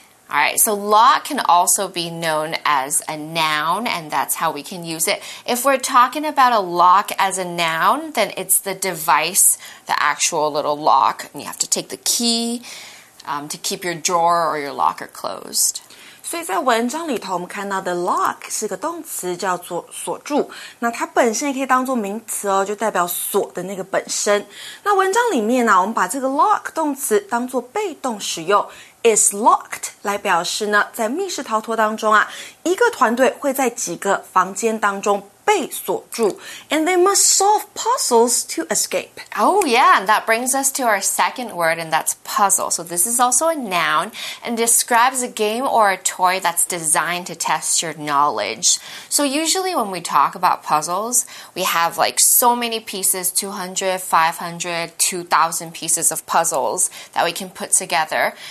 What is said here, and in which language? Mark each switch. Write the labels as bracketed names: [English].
[English] All right, so lock can also be known as a noun, and that's how we can use it. If we're talking about a lock as a noun, then it's the device, the actual little lock, and you have to take the key, to keep your drawer or your locker closed. [Chinese] 所以在文章里头我们看到的 lock 是个动词叫做锁住那它本身也可以当作名词哦就代表锁的那个本身那文章里面呢、啊、我们把这个 lock 动词当作被动使用 [English] is locked [Chinese] 来表示呢在密室逃脱当中啊一个团队会在几个房间当中被锁住 [English] And they must solve puzzles to escape. Oh yeah, and that brings us to our second word, and that's puzzle. So this is also a noun and describes a game or a toy that's designed to test your knowledge. So usually when we talk about puzzles, we have like so many pieces, 200, 500, 2,000 pieces of puzzles that we can put together.